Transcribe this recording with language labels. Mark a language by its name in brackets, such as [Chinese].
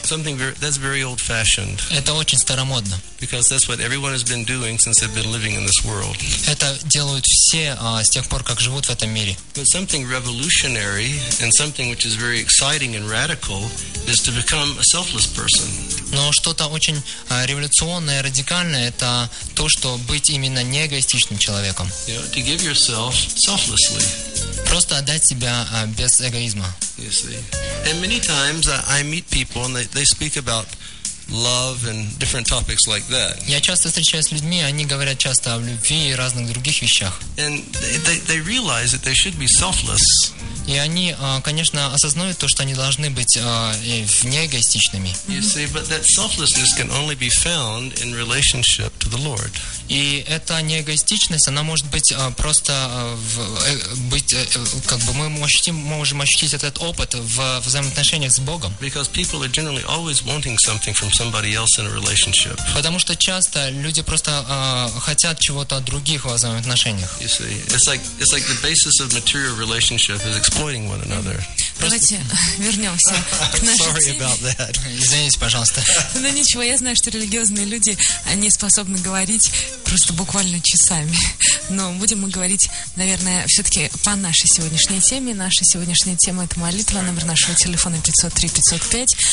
[English] Something that's very old-fashioned. [Russian] Это очень старомодно. [English] Because that's what everyone has been doing since they've been living in this world. [Russian] Это делают все с тех пор, как живут в этом мире. [English] But something revolutionary and something which is very exciting and radical is to become a selfless person. [Russian] Но что-то очень революционное, радикальное, это то, что быть именно не эгоистичным человеком. [English] You know, to give yourself selflessly. [Russian] Просто отдать себя без эгоизма. [English] You see. And many times I meet people and they speak about love and different topics like that. [Russian] Я часто встречаюсь с людьми, они говорят часто о любви и разных других вещах. [English] And they realize that they should be selfless. [Russian] И они, конечно, осознают то, что они должны быть вне эгоистичными. [English] You see, but that selflessness can only be found in relationship to the Lord. [Russian] И эта неэгоистичность, она может быть просто быть как бы мы можем ощутить этот опыт в взаимоотношениях с Богом. [English] Because people are generally always wanting something from somebody else in a relationship. [Russian] Потому что часто люди просто хотят чего-то от других в взаимоотношениях. [English] You see, it's like the basis of material relationship is exploiting one another. [Russian] Давайте вернемся к нашей [English] Sorry [Russian] теме. [English] About that. [Russian] Извините, пожалуйста. Ну ничего, я знаю, что религиозные люди, они способны говорить просто буквально часами. Но будем мы говорить, наверное, все-таки по нашей сегодняшней теме. Наша сегодняшняя тема – это молитва. Номер нашего телефона 503-505.